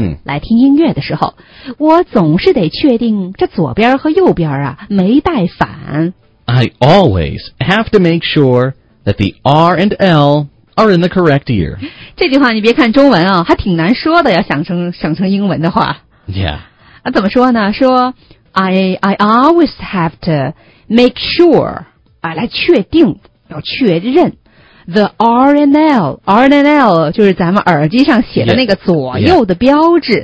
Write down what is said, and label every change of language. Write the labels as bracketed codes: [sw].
[zh] 来听音乐的时候我总是得确定这左边和右边啊没带反。 [en] I always have to make sure that the R and L are in the correct ear. [zh] 这句话你别看中文啊还挺难说的要想成英文的话。 [en] Yeah. [zh] 怎么说呢说 [en] I always have to make sure, [zh] 来确定要确认 [en] the R and L, R and L [zh] 就是咱们耳机上写的那个左右的标志。